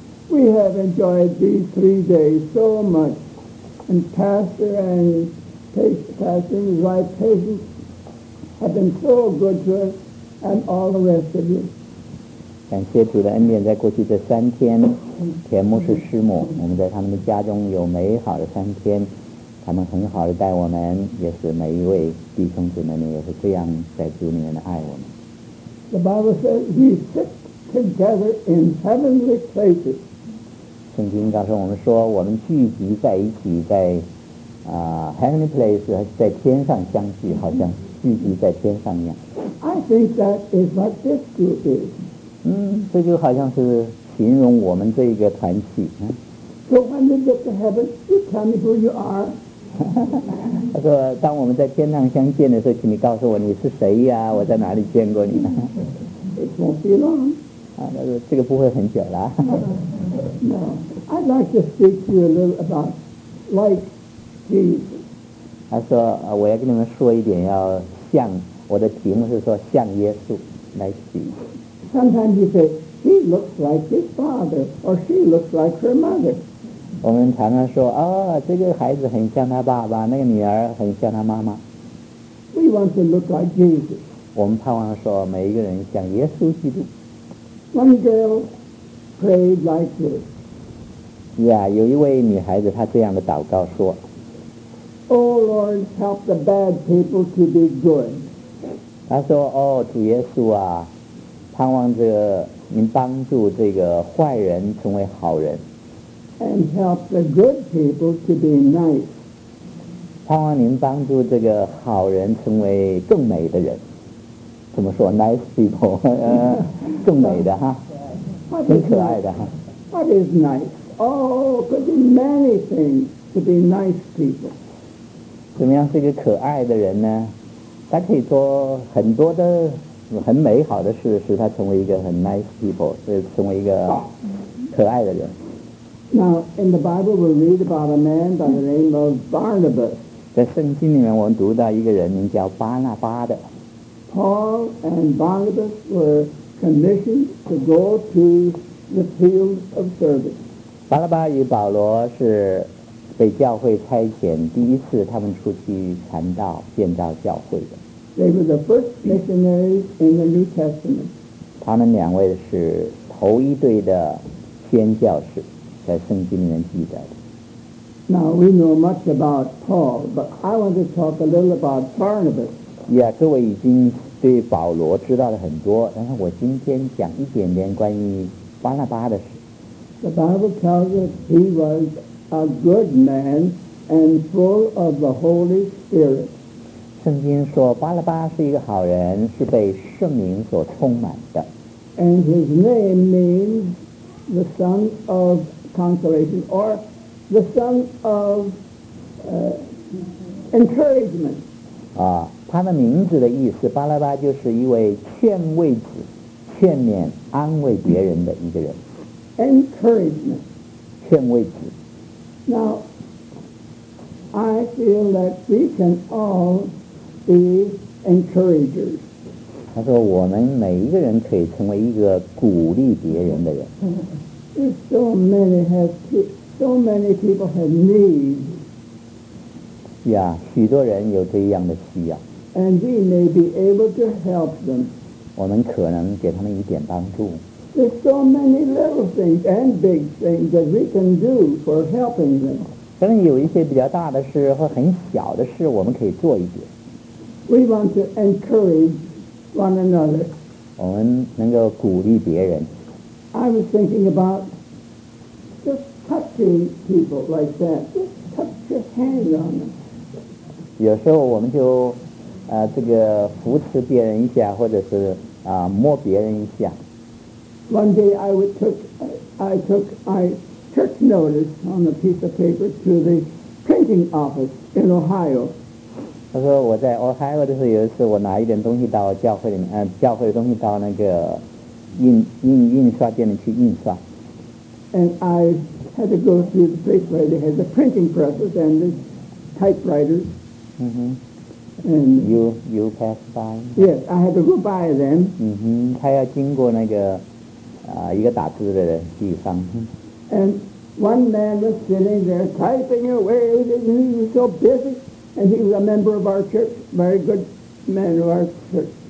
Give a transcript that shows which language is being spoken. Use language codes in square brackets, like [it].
[en] We have enjoyed these 3 days so much and Pastor andPastor and his wife, Patience, have been so good to us and all the rest of you. [zh] 感谢主的恩典在过去这3天田牧师师母我们在他们的家中有美好的3天他们很好地带我们也是每一位弟兄姊妹们也是这样在主里面的爱我们 [en] The Bible says we sit together in heavenly places. [zh] 圣经告诉我们说我们聚集在一起在 [en] heavenly place [zh] 在天上相聚好像聚集在天上一样 [en] I think that is what this group is [zh] 这就好像是形容我们这一个团契。 [en] So when you get to heaven, you tell me who you are. [zh] 他说，当我们在天堂相见的时候，请你告诉我你是谁呀？我在哪里见过你？ [en] It won't be long. [zh] 他说，这个不会很久了。 [en] No, I'd like to speak to you a little about like Jesus. [zh] 他说，我要跟你们说一点，要像我的题目是说像耶稣来比。 [en] Sometimes you say he looks like his father, or she looks like her mother. [zh] 我们常常说，哦，这个孩子很像他爸爸，那个女儿很像他妈妈。 [en] We want to look like Jesus. [zh] 我们盼望说每一个人像耶稣基督。 [en] One girl prayed like this. [zh] Yeah, 有一位女孩子她这样的祷告说。 [en] Oh Lord, help the bad people to be good. [zh] 她说，哦，主耶稣啊，盼望着您帮助这个坏人成为好人。 [en] And help the good people to be nice. [zh] 盼望您帮助这个好人成为更美的人。怎么说 ？ [en] Nice people， [zh] 更美的哈，很可爱的哈。 [en] What is nice? Oh, could be many things to be nice people. [zh] 怎么样是一个可爱的人呢？他可以做很多的很美好的事，使他成为一个很 [en] nice people， [zh] 是成为一个可爱的人。 [en] Now in the Bible we read about a man by the name of Barnabas. [zh] 在圣经里面我们读到一个人名叫巴拿巴的。 [en] Paul and Barnabas were commissioned to go to the field of service. [zh] 巴拿巴与保罗是被教会差遣第一次他们出去传道建造教会的。 [en] They were the first missionaries in the New Testament. [zh] 他们两位是头一对的宣教士，在圣经里面记载的。 [en] Now we know much about Paul, but I want to talk a little about Barnabas. [zh] Yeah, 各位已经对保罗知道了很多，但是我今天讲一点点关于巴拿巴的事。 [en] The Bible tells us he was a good man and full of the Holy Spirit. [zh] 圣经说巴拉巴是一个好人，是被圣灵所充满的。 [en] And his name means the son of consolation or the son of encouragement. [zh] 啊，他的名字的意思，巴拉巴就是一位劝慰子，劝勉安慰别人的一个人。 [en] Encouragement. [zh] 劝慰子。 [en] Now, I feel that we can all. Be encouragers. [zh] 他说我们每一个人可以成为一个鼓励别人的人。 [en] So many people have need. [zh] Yeah, 许多人有这样的需要。 [en] And we may be able to help them. [zh] 我们可能给他们一点帮助。 [en] There's so many little things and big things that we can do for helping them. [zh] 可能有一些比较大的事或很小的事我们可以做一点。 [en] We want to encourage one another. [zh] 我们能够鼓励别人。 [en] I was thinking about just touching people like that. Just touch your hand on them. [zh] 有时候我们就这个扶持别人一下，或者是摸别人一下。 [en] One day I took notice on a piece of paper to the printing office in Ohio. [zh] 他说我在 Ohio 的时候，有一次我拿一点东西到教会里面，教会的东西到那个印刷店里去印刷。 [en] And I had to go through the place where they had the printing presses and the typewriters. Mm-hmm. And you pass by. Yes, I had to go by them. Mm-hmm. [zh] 他要经过那个一个打字的地方。 [en] And one man was sitting there typing away, and he was so busy. And he was a member of our church, very good man of our church.